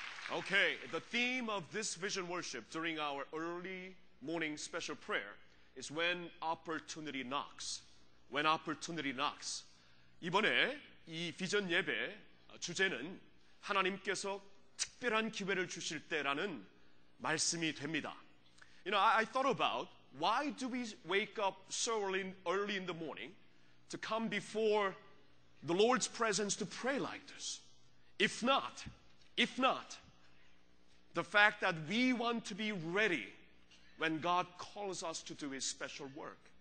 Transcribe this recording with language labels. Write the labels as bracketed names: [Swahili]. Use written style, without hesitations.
[English] All okay, the theme of this vision worship during our early morning special prayer is when opportunity knocks. When opportunity knocks. [Korean] 이번에 이 비전 예배 주제는 하나님께서 특별한 기회를 주실 때라는 말씀이 됩니다. [English] You know, I thought about why do we wake up so early in the morning to come before the Lord's presence to pray like this. If not, the fact that we want to be ready when God calls us to do His special work.